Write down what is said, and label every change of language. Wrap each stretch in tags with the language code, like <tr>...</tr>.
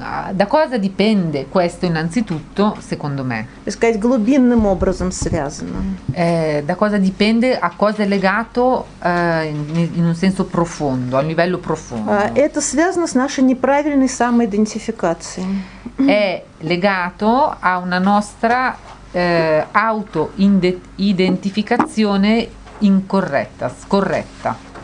<it>Da cosa dipende questo innanzitutto, secondo me?</it> <ru>Сказать глубинным образом связано.</ru> <it>Da cosa dipende, a cosa è legato in un senso profondo, a livello profondo?</it> <ru>Это связано с нашей неправильной самоидентификацией.</ru> <it>È legato a una nostra auto-identificazione incorretta, scorretta.</it>